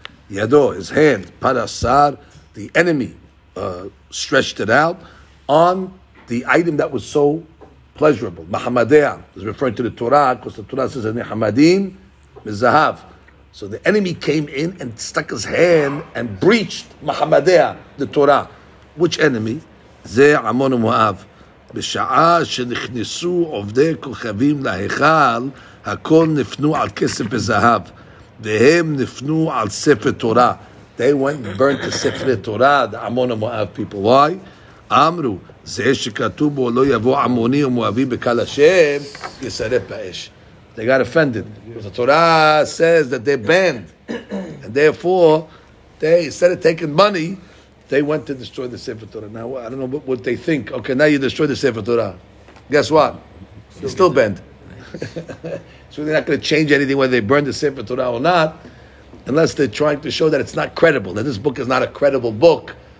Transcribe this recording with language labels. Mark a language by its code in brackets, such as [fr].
[en] Yado, his hand, parasar, the enemy stretched it out on the item that was so pleasurable. Mahammadeha is referring to the Torah, because the Torah says, [he] Nehamadim, mizahav. [en] So the enemy came in and stuck his hand and breached Mahammadeha, the Torah. Which enemy? [he] Ze amon u mu'av. בשעה שנכנסו עובדי כוכבים להיכל, הכל נפנו על כסף וזהב, והם נפנו על ספר תורה. [en] They went and burnt the ספרי תורה, the Ammon and Moab people. Why? [he] אמרו, זה שכתוב בו לא יבוא אמוני ומואבי בקל השם, יסרף באש. [en] They got offended. Because the Torah says that they're banned. And therefore, they, instead of taking money, they went to destroy the Sefer Torah. Now, I don't know what they think. Okay, now you destroy the Sefer Torah. Guess what? It's still banned. Nice. So they're not going to change anything, whether they burn the Sefer Torah or not, unless they're trying to show that it's not credible, that this book is not a credible book.